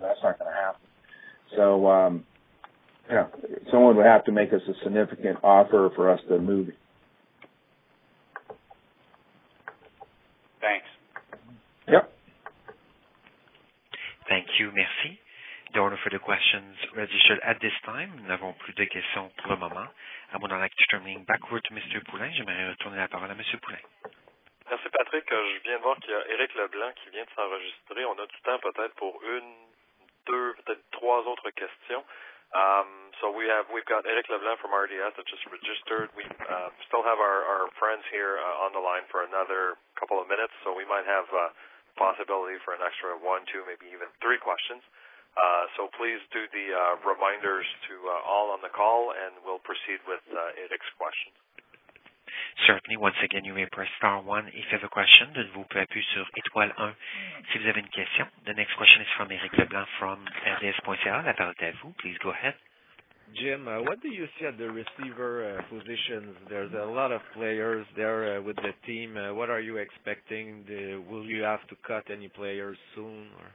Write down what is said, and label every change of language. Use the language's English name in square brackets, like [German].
[English] That's not going to happen. So, someone would have to make us a significant offer for us to move. Thank you, [French] merci. [English] There are no further questions registered at this time. [French] Nous n'avons plus de questions pour le moment. Avant d'en aller [English] turning backward to Mr. [French] Poulin, j'aimerais retourner la parole à Monsieur Poulin. Merci, Patrick. Je viens de voir qu'il y a Éric Leblanc qui vient de s'enregistrer. On a du temps peut-être pour une, deux, peut-être trois autres questions. [English] So we've got Eric Leblanc from RDS that just registered. We still have our friends here on the line for another couple of minutes, so we might have a possibility for an extra one, two, maybe even three questions. So please do the reminders to all on the call, and we'll proceed with Eric's questions. Certainly. Once again, you may press star 1 if you have a question. De nouveau, vous pouvez appuyer sur étoile 1 si vous avez une question. The next question is from Eric Leblanc from RDS.ca. [French] La parole est à vous. [English] Please go ahead. Jim, what do you see at the receiver positions? There's a lot of players there with the team. What are you expecting? Will you have to cut any players soon?